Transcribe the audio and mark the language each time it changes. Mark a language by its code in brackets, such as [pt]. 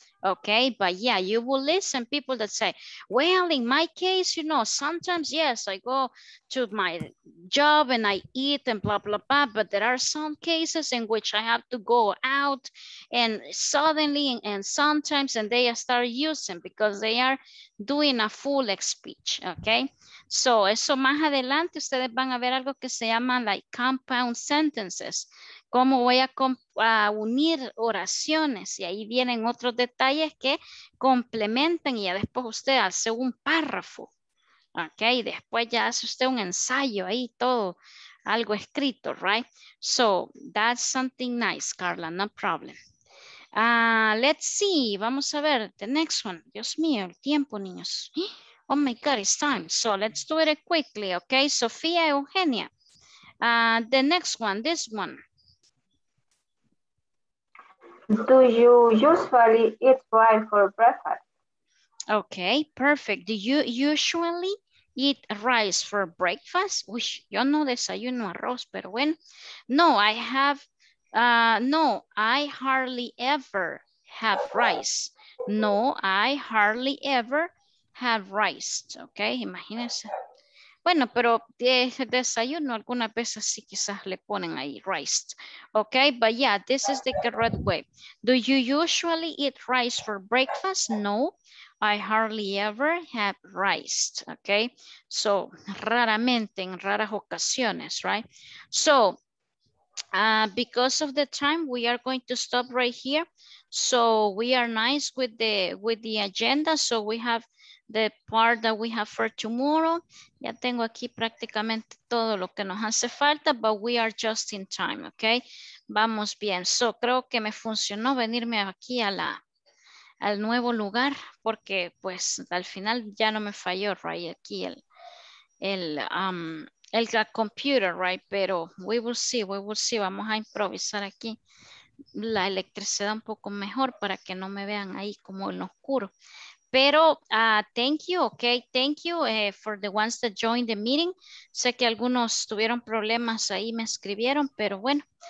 [en] Okay, but yeah, you will listen people that say, well, in my case, you know, sometimes, yes, I go to my job and I eat and blah, blah, blah, but there are some cases in which I have to go out and suddenly and sometimes and they start using because they are doing a full speech, okay? [es] So, eso más adelante, ustedes van a ver algo que se llama [en] like compound sentences. [es] ¿Cómo voy a unir oraciones? Y ahí vienen otros detalles que complementan y ya después usted hace un párrafo, ¿ok? Y después ya hace usted un ensayo ahí, todo, algo escrito, right? [en] So, that's something nice, Carla, no problem. Let's see, [es] vamos a ver, [en] the next one. [es] Dios mío, el tiempo, niños. [en] Oh my God, it's time. So, let's do it quickly, ¿ok? Sofía, Eugenia. The next one, this one. Do you usually eat rice for breakfast? Okay, perfect. Do you usually eat rice for breakfast? [es] Uy, yo no desayuno arroz, pero bueno. [en] No, I have, no, I hardly ever have rice. No, I hardly ever have rice. Okay, [es] imagínense. Bueno, pero desayuno alguna vez así quizás le ponen ahí rice. [en] Okay, but yeah, this is the correct way. Do you usually eat rice for breakfast? No, I hardly ever have rice. [es] Okay, so raramente, en raras ocasiones, right? [en] So, because of the time, we are going to stop right here. So we are nice with the agenda. So we have the part that we have for tomorrow. [es] Ya tengo aquí prácticamente todo lo que nos hace falta, [en] but we are just in time, okay? [es] Vamos bien. So, creo que me funcionó venirme aquí a la, al nuevo lugar, porque pues al final ya no me falló, right? Aquí el computer, right? Pero [en] we will see, we will see. [es] Vamos a improvisar aquí la electricidad un poco mejor para que no me vean ahí como en oscuro. [en] Pero thank you, okay, thank you for the ones that joined the meeting. [es] Sé que algunos tuvieron problemas ahí, me escribieron, pero bueno.